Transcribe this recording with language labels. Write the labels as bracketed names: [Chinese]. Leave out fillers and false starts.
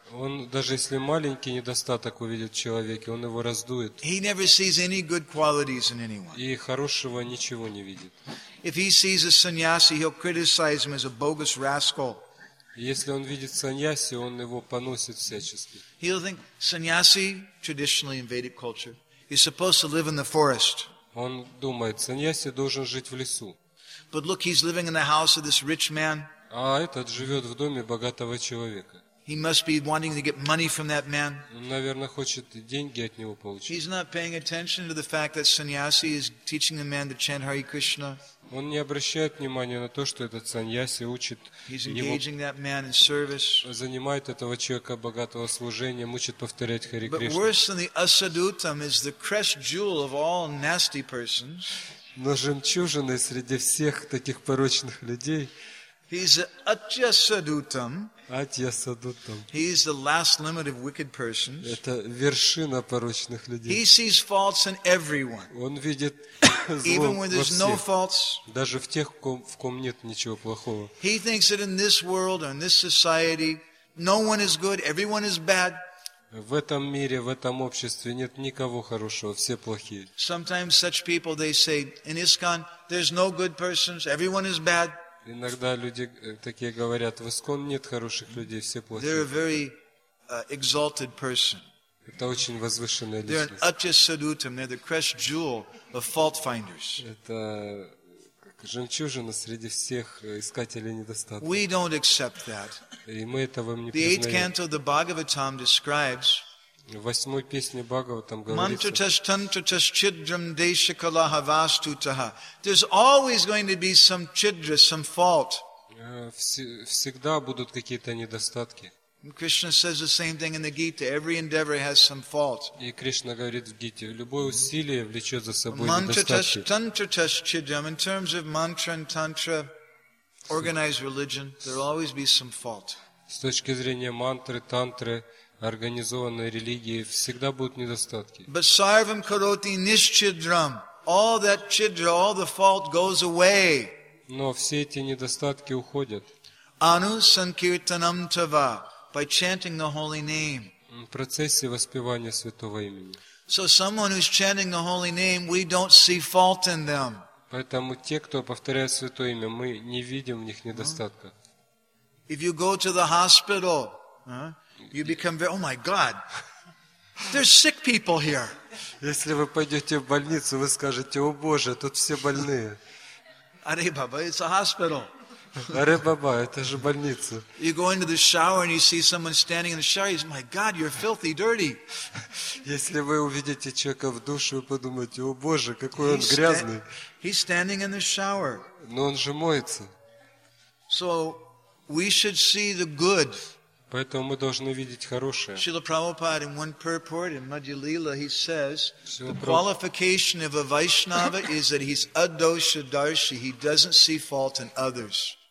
[Russian] Он даже если маленький недостаток увидит в человеке, он его раздует. [English] He never sees any good qualities in anyone. [Russian] И хорошего ничего не видит. [English] If he sees a sannyasi, he'll criticize him as a bogus rascal. [Russian] Если он видит саньяси, он его поносит всячески. [English] He'll think sannyasi, traditionally in Vedic culture, is supposed to live in the forest. [Russian] Он думает, саньяси должен жить в лесу. [English] But look, he's living in the house of this rich man. [Russian] А этот живет в доме богатого человека. [English] He must be wanting to get money from that man. [Russian] Наверное, хочет деньги от него получить. [English] He's not paying attention to the fact that sannyasi is teaching the man to chant Hare Krishna. [Russian] Он не обращает внимания на то, что этот саньяси учит его, занимает этого человека богатого служения, учит повторять Хари Кришну. [English] But worse than the asadutam is the crest jewel of all nasty persons. [Russian] Но жемчужиной среди всех таких порочных людей. [English] He's the atyasadutam. [Russian] Atyasadutam. [English] He is the last limit of wicked persons. [Russian] Это вершина порочных людей. [English] He sees faults in everyone. [Russian] Он видит [English] Even when there's no faults, [Russian] даже в тех, в ком нет ничего плохого. [English] He thinks that in this world or in this society, no one is good, everyone is bad. [Russian] В этом мире, в этом обществе нет никого хорошего, все плохие. [English] Sometimes such people they say in ISKCON, there's no good persons, everyone is bad. [Russian] Иногда люди такие говорят, в ИСКОН нет хороших людей, все плохие. [English] They're a very exalted person. [Russian] Это очень возвышенная личность. [English] They're an atyasadutam, they're the crest jewel of fault finders. [Russian] Это как жемчужина среди всех искателей недостатков. [English] We don't accept that. [Russian] И мы этого не признаем. [English] The eighth canto of the Bhagavatam describes. [Russian] В восьмой песне Бхагаватам говорится. [Sanskrit] Mantra tantra tas chidram deshakalaha vastutaha. [English] There's always going to be some chidra, some fault. [Russian] Всегда будут какие-то недостатки. [English] Krishna says the same thing in the Gita. Every endeavor has some fault. [Russian] И Кришна говорит в Гите, любое усилие влечет за собой недостатки. [Sanskrit] Mantra tantra tas chidram. [English] In terms of mantra and tantra, organized religion, there'll always be some fault. [Russian] С точки зрения мантры, тантры, организованной религии, всегда будут недостатки. [English] But [Sanskrit] sarvam karoti nischidram. [English] All that chidra, all the fault goes away. [Russian] Но все эти недостатки уходят. [Sanskrit] Anu sankirtanam tava. [English] By chanting the holy name. [Russian] В процессе воспевания святого имени. [English] So someone who's chanting the holy name, we don't see fault in them. [Russian] Поэтому те, кто повторяет святое имя, мы не видим в них недостатка. [English] If you go to the hospital, you become very, oh my God, there's sick people here. [Russian] Если вы пойдете в больницу, вы скажете, о Боже, тут все больные. [Hindi] Are Baba, [English] it's a hospital. [Hindi] Are Baba, [Russian] это же больница. [English] You go into the shower and you see someone standing in the shower, you say, my God, you're filthy, dirty. [Russian] Если вы увидите человека в душе, вы подумаете, о Боже, какой он грязный. [English] He's standing in the shower. [Russian] Но он же моется. [English] So we should see the good. [Russian] Поэтому мы должны видеть хорошее. [English] Srila Prabhupada in one purport in Madhyalila he says the qualification of a Vaishnava is that he's adosha darshi, he doesn't see fault in others.